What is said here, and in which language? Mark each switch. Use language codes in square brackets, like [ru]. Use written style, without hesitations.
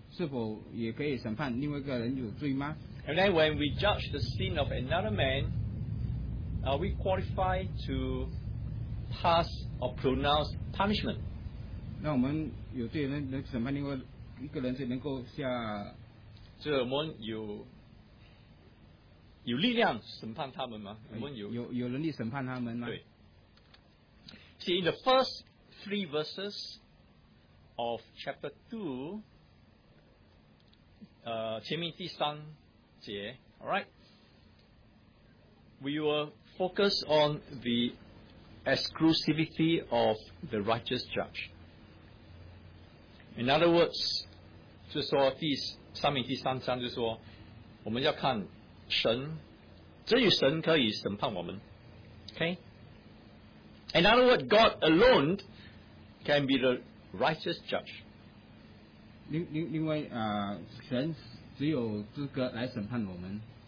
[zh] 像我们是有罪的人，是否也可以审判另外一个人有罪吗？ [en] And then when we judge the sin of another man, are we qualified to pass or pronounce punishment? [zh] 那我们有罪人能审判另外一个人，是能够下？这我们有力量审判他们吗？我们有能力审判他们吗？对。 [en] See, in the first three verses of chapter 2, [zh] 前面第三节, [en] alright? We will focus on the exclusivity of the righteous judge. In other words, [zh] 就说第三章就说，我们要看神，只有神可以审判我们。Okay? [en] In other words, God alone can be the righteous judge. [zh] 另外，神只有资格来审判我们。